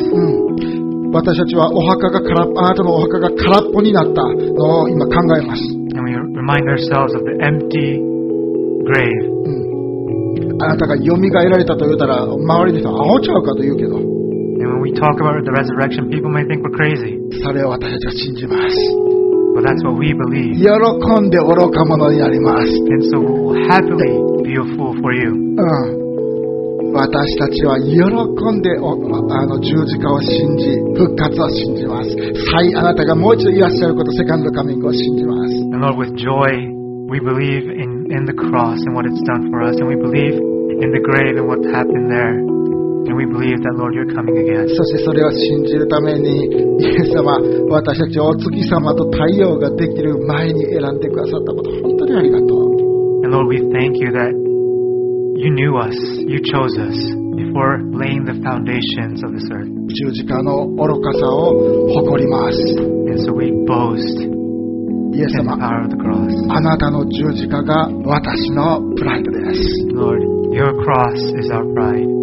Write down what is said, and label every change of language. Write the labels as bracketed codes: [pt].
[ja] うん私たちはお墓が空っぽ、あなたのお墓が空っぽになったのを今考えます。 [en] And we remind ourselves of the empty grave. [ja] あなたが蘇られたと言ったら周りの人はアホちゃうかと言うけど。 [en] And when we talk about the resurrection, people may think we're crazy. [ja] それを私たちは信じます。 [en] But that's what we believe. [ja] 喜んで愚か者になります。 [en] And so we'll happily be a fool for you. うん。 [ja] 私たちは喜んであの十字架を信じ復活を信じます再あなたがもう一度いらっしゃることセカンドカミングを信じます [en] And Lord, with joy, we believe in the cross and what it's done for us and we believe in the grave and what happened there and we believe that Lord, you're coming again [ja] そしてそれを信じるためにイエス様私たちお月様と太陽ができる前に選んでくださったこと本当にありがとう [en] And Lord, we thank you thatYou knew us. You chose us before laying the foundations of this earth. [ja] 十字架の愚かさを誇ります。 [en] And so we boast in the power of the cross. [ja] あなたの十字架が私のプライドです。 [en] Lord, your cross is our pride.